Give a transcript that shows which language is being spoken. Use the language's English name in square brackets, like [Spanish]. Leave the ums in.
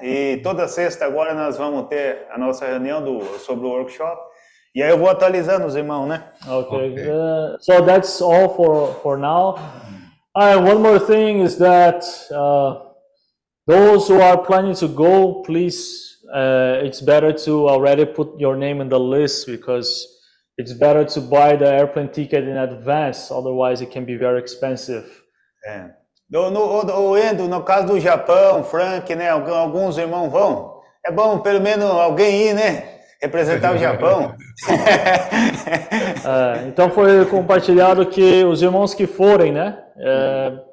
[Portuguese] E toda sexta agora nós vamos ter a nossa reunião do, sobre o workshop. E aí eu vou atualizando os irmãos, né? [English] Okay. okay. Uh, so that's all for for now. Uh, right, one more thing is that uh, those who are planning to go, please, uh, it's better to already put your name in the list because It's better to buy the ticket in advance, otherwise it can be expensive. [Portuguese] É. No, no, o Endo, no caso do Japão, Frank, né? Alguns irmãos vão. É bom pelo menos alguém ir, né? Representar o Japão. É, então foi compartilhado que os irmãos que forem, né? É,